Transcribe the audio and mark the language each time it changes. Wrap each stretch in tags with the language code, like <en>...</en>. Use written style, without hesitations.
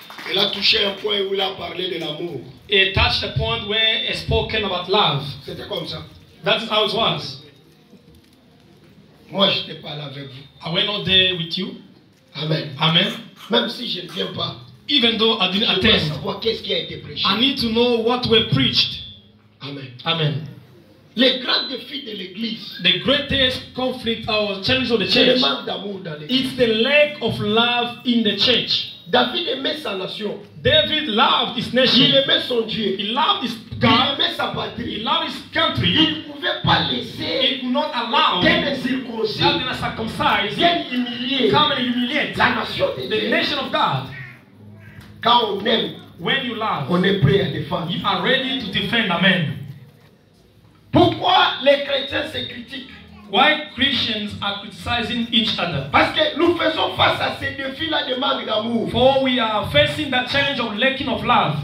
<fr>Il a touché un point où il a parlé de l'amour.</fr> <en>He touched a point where he spoke about love.</en> <fr>C'était comme ça.</fr> <en>That's how it was.</en> <fr>Moi, je n'étais pas là avec vous.</fr> <en>I went not there with you. Amen. Amen.</en> <fr>Même si je ne viens pas.</fr> <en>Even though I didn't attend.</en> <fr>Je veux savoir qu'est-ce qui a été prêché.</fr> <en>I need to know what were preached. Amen. Amen.</en> <fr>Les grands défis de l'Église.</fr> <en>The greatest conflict or challenge of the church.</en> <fr>C'est le manque d'amour dans l'Église.</fr> <en>It's the lack of love in the church.</en> <fr>David aimait sa nation.</fr> <en>David loved his nation.</en> <fr>Il aimait son Dieu.</fr> <en>He loved his God.</en> <fr>Il aimait sa patrie.</fr> <en>He loved his country.</en> <fr>Il ne pouvait pas laisser.</fr> <en>He could not allow.</en> <fr>Quelle circonstance. Quelle humiliation.</fr> <en>Come and humiliate.</en> <fr>La nation de Dieu.</fr> <en>The nation of God.</en> <fr>Quand on aime.</fr> <en>When you love.</en> <fr>On est prêt à défendre.</fr> <en>You are ready to defend. Amen.</en> <fr>Pourquoi les chrétiens se critiquent?</fr> <en>Why Christians are criticizing each other?</en> <fr>Parce que nous faisons face à ces défis-là de manque d'amour.</fr> <en>For we are facing the challenge of lacking of love.</en>